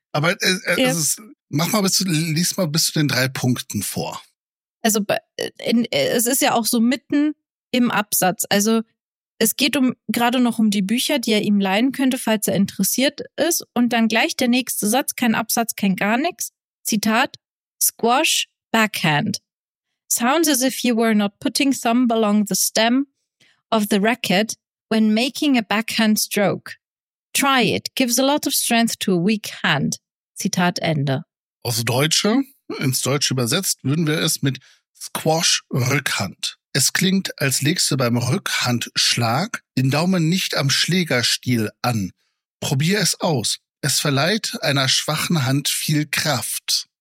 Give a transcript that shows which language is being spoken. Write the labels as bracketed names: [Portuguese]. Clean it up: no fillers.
[German] Aber lies mal bis zu den drei Punkten vor. Also es ist ja auch so mitten im Absatz. Also es geht gerade noch um die Bücher, die er ihm leihen könnte, falls er interessiert ist. Und dann gleich der nächste Satz, kein Absatz, kein gar nichts. Zitat, [English] Squash, Backhand. Sounds as if you were not putting thumb along the stem of the racket when making a backhand stroke. Try it. Gives a lot of strength to a weak hand. [German] Zitat Ende. Aus Deutsche, ins Deutsche übersetzt, würden wir es mit Squash Rückhand. Es klingt, als legst du beim Rückhandschlag den Daumen nicht am Schlägerstiel an. Probier es aus. Es verleiht einer schwachen Hand viel Kraft.